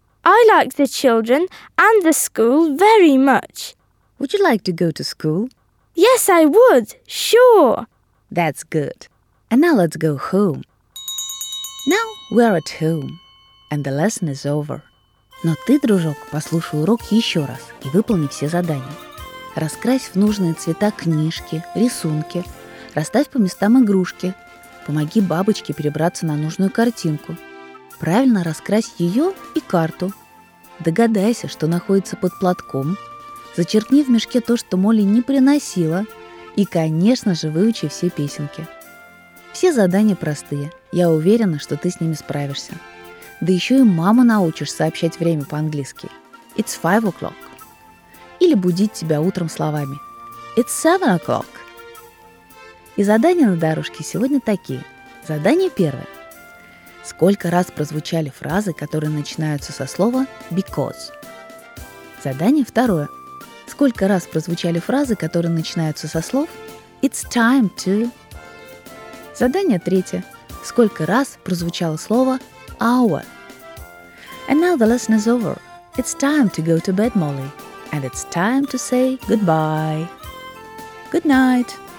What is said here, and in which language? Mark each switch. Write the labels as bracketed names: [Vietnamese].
[English] I like the children and the school very much. Would you like to go to school? Yes, I would. Sure. That's good. And now let's go home. Now we're at home, and the lesson is over. [Russian] Но ты, дружок, послушай урок еще раз и выполни все задания. Раскрась в нужные цвета книжки, рисунки, расставь по местам игрушки, помоги бабочке перебраться на нужную картинку, правильно раскрась ее и карту, догадайся, что находится под платком, зачеркни в мешке то, что Молли не приносила, и, конечно же, выучи все песенки. Все задания простые. Я уверена, что ты с ними справишься. Да еще и мама научишь сообщать время по-английски. [English] It's 5 o'clock. [Russian] Или будить тебя утром словами. [English] It's 7 o'clock. [Russian] И задания на дорожке сегодня такие. Задание первое. Сколько раз прозвучали фразы, которые начинаются со слова because? Задание второе. Сколько раз прозвучали фразы, которые начинаются со слов [English] «It's time to». [Russian] Задание третье. Сколько раз прозвучало слово «hour». [English] And now the lesson is over. It's time to go to bed, Molly. And it's time to say goodbye. Good night.